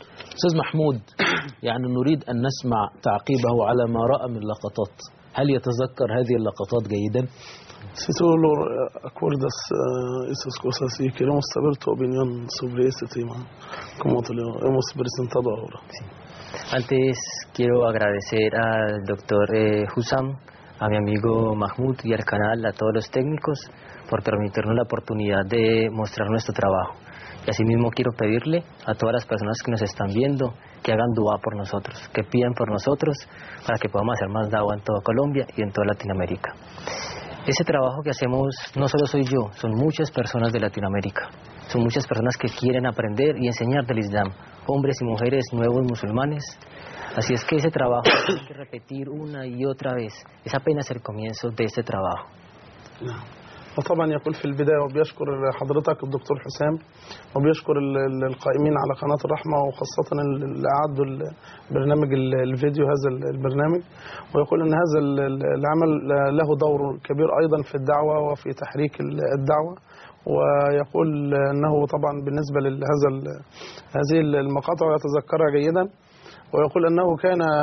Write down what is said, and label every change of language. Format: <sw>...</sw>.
<ar>أستاذ محمود، يعني نريد أن نسمع تعقيبه على ما رأى من لقطات، هل يتذكر هذه اللقطات جيدا؟ سيتولور أكوردس إسوس كوساسي كلموس تبرتو بنيان سوبريس تيمان كموتليو إموس برسن تضعورا.</ar> <es>Antes quiero agradecer al doctor Husam, a mi amigo Mahmoud y al canal, a todos los técnicos por permitirnos la oportunidad de mostrar nuestro trabajo. Y asimismo quiero pedirle a todas las personas que nos están viendo que hagan dua por nosotros, que pidan por nosotros para que podamos hacer más dawa en toda Colombia y en toda Latinoamérica. Ese trabajo que hacemos no solo soy yo, son muchas personas de Latinoamérica. Son muchas personas que quieren aprender y enseñar del Islam, hombres y mujeres, nuevos musulmanes. Así es que ese trabajo hay que repetir una y otra vez. Es apenas el comienzo de este trabajo.</es> <ar>وطبعا يقول في البداية وبيشكر حضرتك الدكتور حسام وبيشكر القائمين على قناة الرحمة وخاصة اللي أعدوا البرنامج الفيديو هذا البرنامج، ويقول أن هذا العمل له دور كبير أيضا في الدعوة وفي تحريك الدعوة، ويقول أنه طبعا بالنسبة لهذا هذه المقاطع يتذكرها جيدا، ويقول أنه كان</ar>